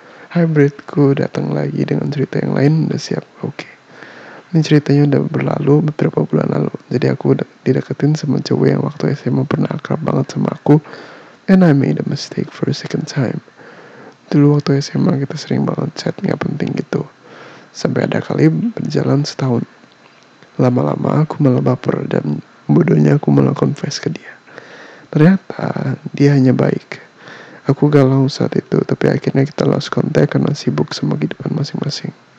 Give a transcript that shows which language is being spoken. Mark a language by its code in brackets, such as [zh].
[id] Hybridku datang lagi dengan cerita yang lain, udah siap. Oke. Ini ceritanya udah berlalu beberapa bulan lalu. Jadi aku dideketin sama cowok yang waktu SMA pernah akrab banget sama aku. [en] And I made a mistake for a second time. [id] Dulu waktu SMA kita sering banget chat, gak penting gitu. Sampai ada kali berjalan setahun. Lama-lama aku malah baper dan bodohnya aku malah confess ke dia. Ternyata dia hanya baik. Aku galau saat itu, tapi akhirnya kita [en] lost contact [id] karena sibuk sama kehidupan masing-masing.